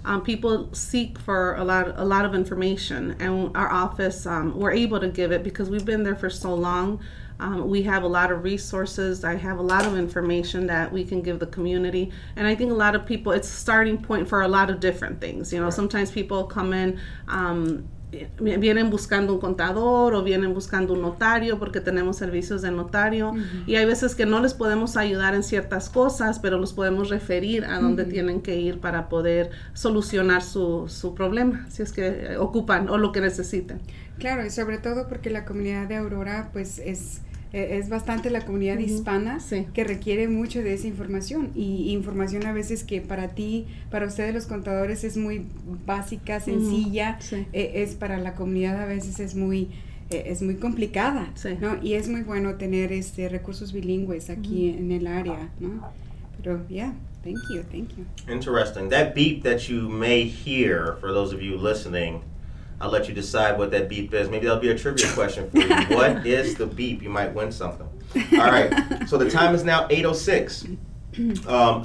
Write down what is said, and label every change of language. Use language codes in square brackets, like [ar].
[en] People seek for a lot of information, and our office, we're able to give it because we've been there for so long. We have a lot of resources. I have a lot of information that we can give the community. And I think a lot of people, it's a starting point for a lot of different things. You know, sometimes people come in [es] vienen buscando un contador o vienen buscando un notario porque tenemos servicios de notario. Uh-huh. Y hay veces que no les podemos ayudar en ciertas cosas, pero los podemos referir a dónde uh-huh. tienen que ir para poder solucionar su problema, si es que ocupan o lo que necesiten. Claro, y sobre todo porque la comunidad de Aurora, pues es bastante la comunidad uh-huh. hispana sí. que requiere mucho de esa información y información a veces que para ti, para ustedes los contadores es muy básica, sencilla, uh-huh. sí. Es para la comunidad a veces es muy complicada, sí. ¿no? Y es muy bueno tener recursos bilingües aquí uh-huh. en el área, ¿no? Pero [en] yeah, thank you. Interesting. That beep that you may hear, for those of you listening, I'll let you decide what that beep is. Maybe that'll be a trivia question for you. What is the beep? You might win something. All right. So the time is now 8:06.